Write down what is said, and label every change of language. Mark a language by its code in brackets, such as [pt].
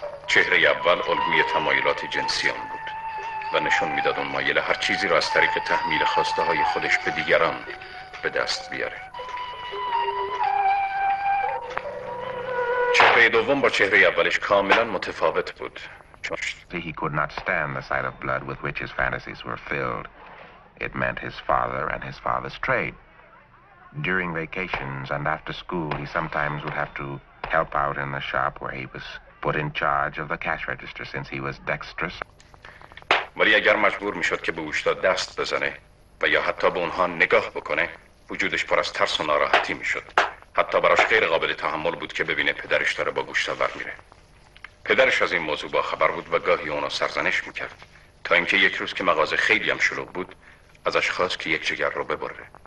[fa] چهره اول الگوی تمایلات جنسی آن بود و نشون میداد اون مایل هر چیزی را از طریق تحمیل خواسته های خودش به دیگران به دست بیاره. چهره دوم با چهره اولش کاملا متفاوت بود. [en] He could not stand the sight of blood with which his fantasies were filled. It meant his father and his father's trade. During vacations and after school, he sometimes would have to help out in the shop where he was put in charge of the cash register since he was dexterous. [fa] ولی اگر مجبور میشد که به گوشتا دست بزنه و یا حتی به اونها نگاه بکنه، وجودش پر از ترس و ناراحتی میشد. حتی براش غیر قابل تحمل بود که ببینه پدرش داره با گوشتا برمیره. پدرش از این موضوع با خبر بود و گاهی اونو سرزنش میکرد، تا اینکه یک روز که مغازه خیلی هم شلوغ بود ازش خواست که یک جگر رو ببره.